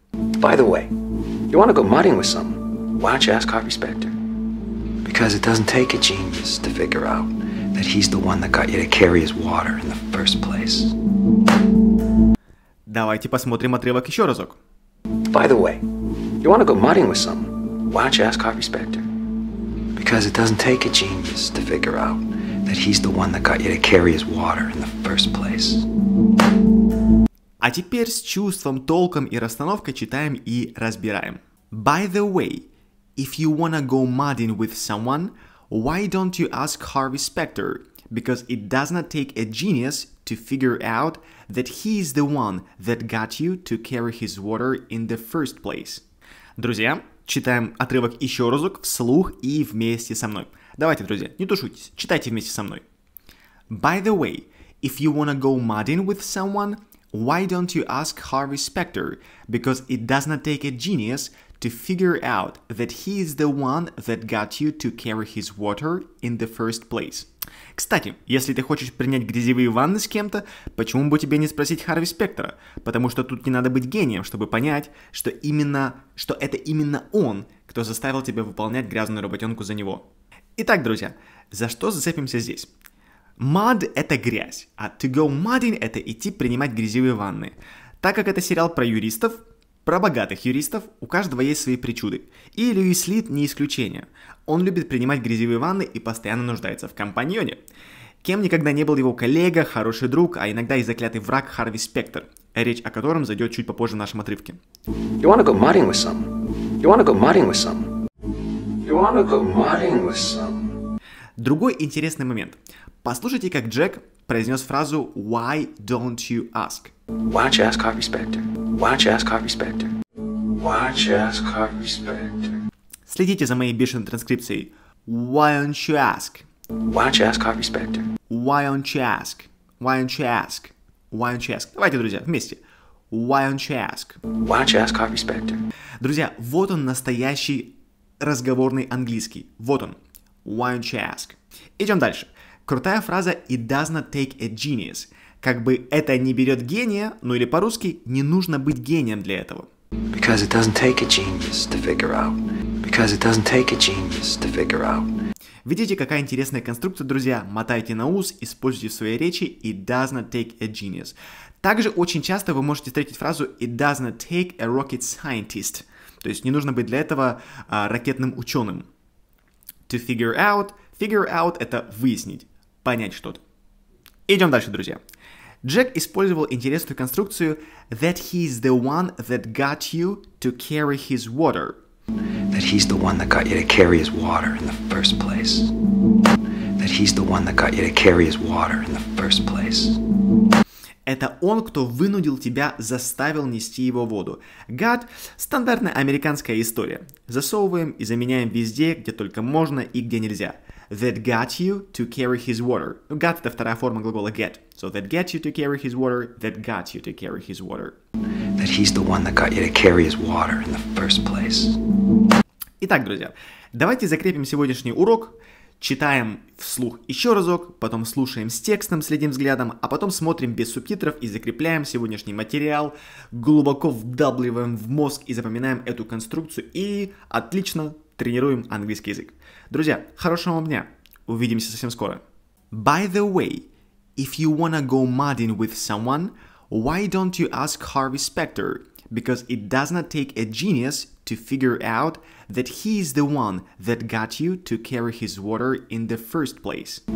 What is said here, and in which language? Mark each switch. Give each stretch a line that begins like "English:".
English: By the way, you want to go mudding with some? Why don't you ask Harvey Specter? Because it doesn't take a genius to figure out that he's the one that got you to carry his water in the first place.
Russian: Давайте посмотрим отрывок еще разок.
English: By the way, you want to go mudding with someone? Why don't you ask Harvey Specter? Because it doesn't take a genius to figure out that he's the one that got you to carry his water in the first place.
Russian: А теперь с чувством, толком и расстановкой читаем и разбираем.
English: By the way, if you wanna go mudding with someone, why don't you ask Harvey Specter? Because it does not take a genius to figure out that he's the one that got you to carry his water in the first place.
Russian: Друзья, читаем отрывок еще разок вслух и вместе со мной. Давайте, друзья, не тушуйтесь, читайте вместе со мной.
English: By the way, if you wanna go mudding with someone, why don't you ask Harvey Specter? Because it does not take a genius to figure out that he is the one that got you to carry his water in the first place.
Russian: Кстати, если ты хочешь принять грязевые ванны с кем-то, почему бы тебе не спросить Харви Спектора? Потому что тут не надо быть гением, чтобы понять, что это именно он, кто заставил тебя выполнять грязную работенку за него. Итак, друзья, за что зацепимся здесь? Mud – это грязь, а
English: to go mudding
Russian: – это идти принимать грязевые ванны. Так как это сериал про юристов, про богатых юристов, у каждого есть свои причуды. И Льюис Лид не исключение. Он любит принимать грязевые ванны и постоянно нуждается в компаньоне. Кем никогда не был его коллега, хороший друг, а иногда и заклятый враг Харви Спектер, речь о котором зайдет чуть попозже в нашем отрывке.
English: You wanna go mudding with some? You wanna go mudding with some? You wanna go mudding with some?
Russian: Другой интересный момент. Послушайте, как Джек произнес фразу
English: «Why don't you ask?» Why don't you ask Harvey Specter? Why don't you ask Harvey Specter? Why don't you ask Harvey Specter?
Russian: Следите за моей бешеной транскрипцией.
English: Why don't you ask? Why don't you ask Harvey Specter? Why don't you ask? Why don't you ask? Why don't you ask?
Russian: Давайте, друзья, вместе.
English: Why don't you ask? Why don't you ask Harvey Specter?
Russian: Друзья, вот он настоящий разговорный английский. Вот он.
English: Why don't you ask?
Russian: Идем дальше. Крутая фраза
English: «It does not take a genius».
Russian: Как бы это не берет гения, ну или по-русски, не нужно быть гением для этого.
English: Because it doesn't take a genius to figure out. Because it doesn't take a genius to figure out.
Russian: Видите, какая интересная конструкция, друзья? Мотайте на ус, используйте в своей речи
English: «It does not take a genius».
Russian: Также очень часто вы можете встретить фразу
English: «It does not take a rocket scientist».
Russian: То есть не нужно быть для этого ракетным ученым.
English: To figure out. Figure out
Russian: – это выяснить, понять что-то. Идем дальше, друзья. Джек использовал интересную конструкцию
English: that he's the one that got you to carry his water. That he's the one that got you to carry his water in the first place. That he's the one that got you to carry his water in the first place.
Russian: Это он, кто вынудил тебя, заставил нести его воду. Got – стандартная американская история. Засовываем и заменяем везде, где только можно и где нельзя.
English: That got you to carry his water. Got –
Russian: это вторая форма глагола
English: get. So that get you to carry his water, that got you to carry his water. That he's the one that got you to carry his water in the first place.
Russian: Итак, друзья, давайте закрепим сегодняшний урок. Читаем вслух еще разок, потом слушаем с текстом, следим взглядом, а потом смотрим без субтитров и закрепляем сегодняшний материал, глубоко вдавливаем в мозг и запоминаем эту конструкцию и отлично тренируем английский язык. Друзья, хорошего вам дня. Увидимся совсем скоро.
English: By the way, if you wanna go mudding with someone, why don't you ask Harvey Specter? Because it does not take a genius to figure out that he is the one that got you to carry his water in the first place.